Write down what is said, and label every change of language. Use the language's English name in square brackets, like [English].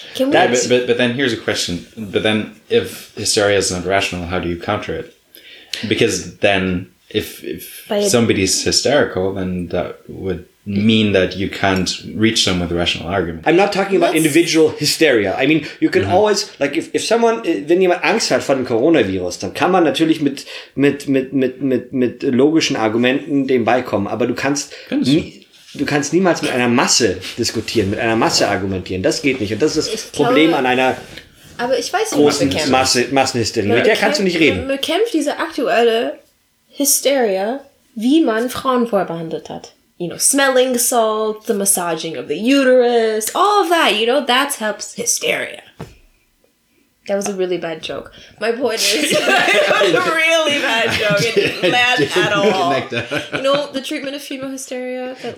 [English] But then here's a question. But then if hysteria is not rational, how do you counter it? Because then if somebody's hysterical, then that would mean that you can't reach them with a rational argument. I'm not talking about individual hysteria. I mean, you can always, like, [German] wenn jemand Angst hat vor dem Coronavirus, dann kann man natürlich mit logischen Argumenten dem beikommen. Aber du kannst niemals mit einer Masse diskutieren, mit einer Masse argumentieren. Das geht nicht. Und das ist das Problem an einer... Aber ich weiß nicht, was bekämpft. Massenhysterie. Mit der kannst du nicht reden. Man bekämpft diese aktuelle Hysteria, wie man Frauen vorher behandelt hat. [English] You know, smelling salt, the massaging of the uterus, all of that, you know, that helps hysteria. That was a really bad joke. My point is, it was a really bad joke. It didn't land at all. You know, the treatment of female hysteria?